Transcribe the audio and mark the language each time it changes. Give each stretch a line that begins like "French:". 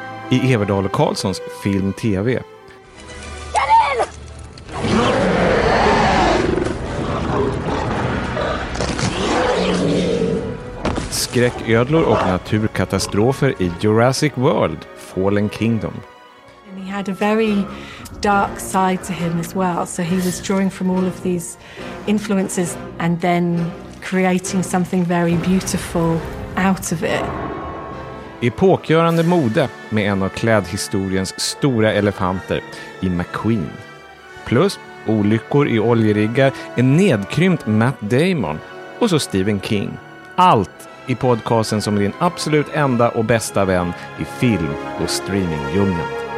Swedish: i Everdahl och Karlssons film TV. Skräcködlor och naturkatastrofer i Jurassic World: Fallen Kingdom.
English: And he had a very dark side to him as well, so he was drawing from all of these influences and then creating something very beautiful out of it.
Swedish: Epokgörande mode med en av klädhistoriens stora elefanter i McQueen. Plus olyckor i oljeriggar, en nedkrympt Matt Damon och så Stephen King. Allt i podcasten som är din absolut enda och bästa vän i film- och streamingdjungeln.